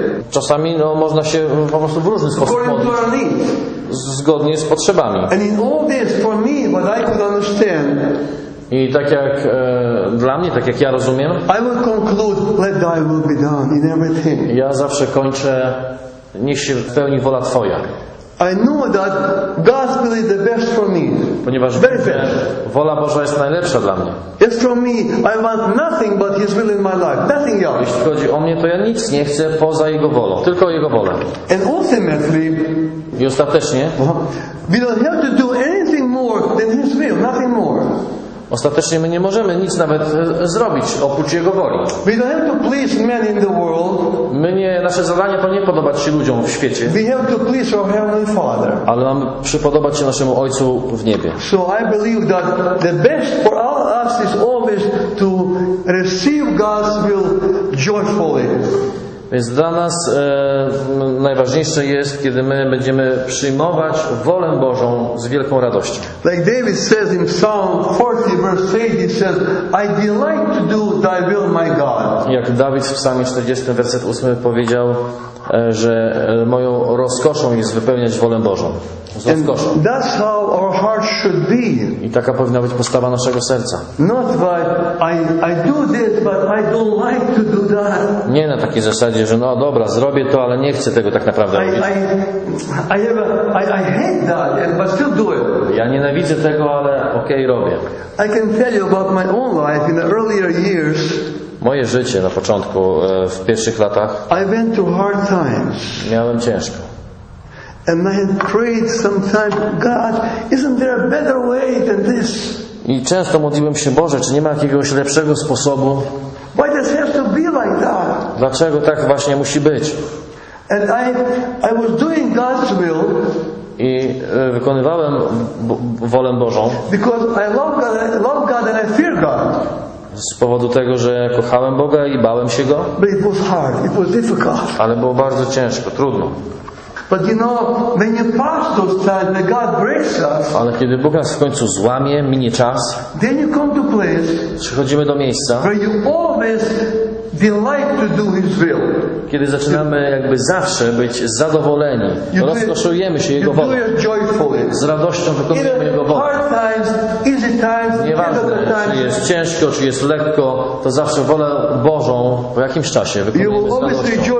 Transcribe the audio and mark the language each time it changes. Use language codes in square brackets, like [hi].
[pl] Czasami można się po prostu w różny sposób modlić. Zgodnie z potrzebami. [en] And in all this, for me, what I could understand, [pl] i tak jak dla mnie, tak jak ja rozumiem, [en] I will conclude, let thy will be done in everything. [pl] Ja zawsze kończę, niech się pełni wola Twoja. [en] I know that God's will is the best for me. [pl] Ponieważ [en] very best. [pl] Wola Boża jest najlepsza dla mnie. [en] It's from me. I want nothing but His will in my life. Nothing else. [pl] Jeśli chodzi o mnie, to ja nic nie chcę poza Jego wolą. Tylko Jego wolę. [en] And ultimately, [pl] i ostatecznie, [en] we don't have to do anything more than His will. Nothing more. [pl] Ostatecznie my nie możemy nic nawet zrobić oprócz Jego woli. [en] We don't have to please men in the world. [pl] My nie, nasze zadanie to nie podobać się ludziom w świecie. [en] We have to please our Heavenly Father. [pl] Ale mamy przypodobać się naszemu Ojcu w niebie. [en] So I believe that the best for all of us is always to receive God's will joyfully. [pl] Więc dla nas najważniejsze jest, kiedy my będziemy przyjmować wolę Bożą z wielką radością. [en] Like David says in Psalm 40 verse 8, he says, I delight to do thy will, my God. [pl] Jak Dawid w Psalmie 40 werset 8 powiedział, że moją rozkoszą jest wypełniać wolę Bożą. Z rozkoszą. [en] And that's how our heart should be. [pl] I taka powinna być postawa naszego serca. [en] Not by I do this, but I don't like to do that. [pl] Nie na takiej zasadzie, że no dobra, zrobię to, ale nie chcę tego tak naprawdę robić. [en] I hate that, but still do it. [pl] Ja nienawidzę tego, ale okej, robię. [en] I can tell you about my own life in the earlier years. [pl] Moje życie na początku, w pierwszych latach, [en] I went through hard times. [pl] Miałem ciężko. [en] And I had prayed sometimes, God, isn't there a better way than this? [pl] I często modliłem się, Boże, czy nie ma jakiegoś lepszego sposobu? [en] Why does it have to be like that? [pl] Dlaczego tak właśnie musi być? [en] And I was doing God's will. [pl] I wykonywałem wolę Bożą. [en] Because I love God and I fear God. [pl] Z powodu tego, że kochałem Boga i bałem się Go. [en] But it was hard. It was difficult. [pl] Ale było bardzo ciężko, trudno. [en] But you know, when you pass those times, when God breaks us, [pl] ale kiedy Bóg nas w końcu złamie, minie czas, [en] then you come to place, [pl] przychodzimy do miejsca, [en] where you always delight to do His will. [pl] Kiedy zaczynamy jakby zawsze być zadowoleni, rozkoszujemy się Jego wolą. Z radością wykonujemy Jego wolę. [en] Hard times, easy times, [pl] nieważne, czy jest ciężko, czy jest lekko, to zawsze wolę Bożą po jakimś czasie wykonujemy z radością.